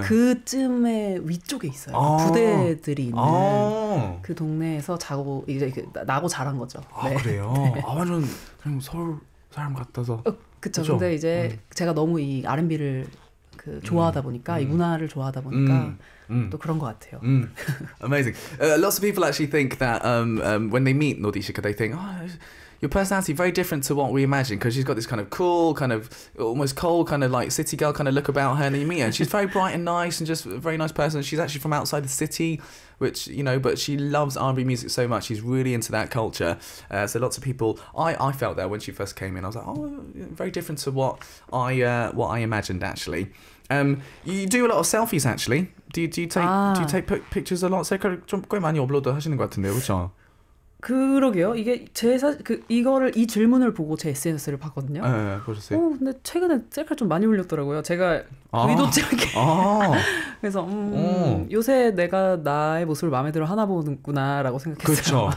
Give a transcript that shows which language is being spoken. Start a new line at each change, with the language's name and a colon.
Korean: 그쯤에 위쪽에 있어요. 아. 부대들이 있는 아. 그 동네에서 자고 이제 나고 자란 거죠. 아, 네. 그래요? 네. 아, 완전 그냥 서울 사람 같아서. 그쵸. 그렇죠? 근데 이제 제가 너무 이 R&B를 그 좋아하다 보니까 이 문화를 좋아하다 보니까 또 그런 것 같아요.
English: Amazing. Lots of people actually think that when they meet Nody Cika, they think, oh, your personality is very different to what we imagine, because she's got this kind of cool, kind of almost cold, kind of like city girl kind of look about her. And you meet her, she's very bright and nice, and just a very nice person. She's actually from outside the city, which, you know, but she loves R&B music so much. She's really into that culture. So lots of people, I felt that when she first came in, I was like, oh, very different to what I imagined actually. You do a lot of selfies actually. Do you take pictures a lot?
Korean: 셀카를 좀 꽤 많이 업로드 하시는 것 같은데요, 그렇죠? 그러게요. 이게 이 질문을 보고 제 SNS를 봤거든요. 네, 보셨어요. 오, 근데 최근에 셀카 좀 많이 올렸더라고요. 제가 의도치 않게. 아. 그래서 요새 내가 나의 모습을 마음에 들어 하나 보는구나라고 생각했어요.